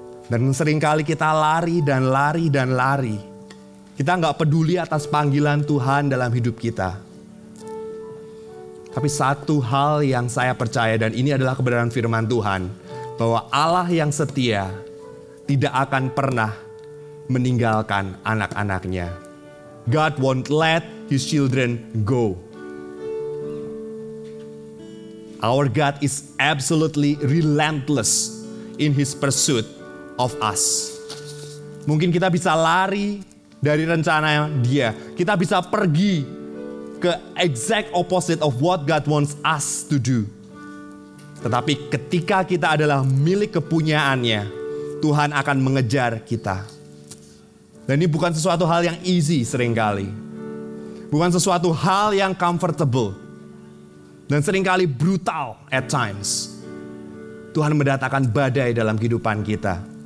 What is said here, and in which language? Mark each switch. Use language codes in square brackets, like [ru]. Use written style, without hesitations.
[id] Dan seringkali kita lari dan lari dan lari. Kita enggak peduli atas panggilan Tuhan dalam hidup kita. Tapi satu hal yang saya percaya, dan ini adalah kebenaran firman Tuhan, bahwa Allah yang setia tidak akan pernah meninggalkan anak-anak-Nya. [en] God won't let His children go. Our God is absolutely relentless in His pursuit of us. [id] Mungkin kita bisa lari dari rencana Dia. Kita bisa pergi ke [en] exact opposite of what God wants us to do. [id] Tetapi ketika kita adalah milik kepunyaannya, Tuhan akan mengejar kita. Dan ini bukan sesuatu hal yang easy seringkali. Bukan sesuatu hal yang comfortable. Dan seringkali brutal [en] at times. [id] Tuhan mendatangkan badai dalam kehidupan kita.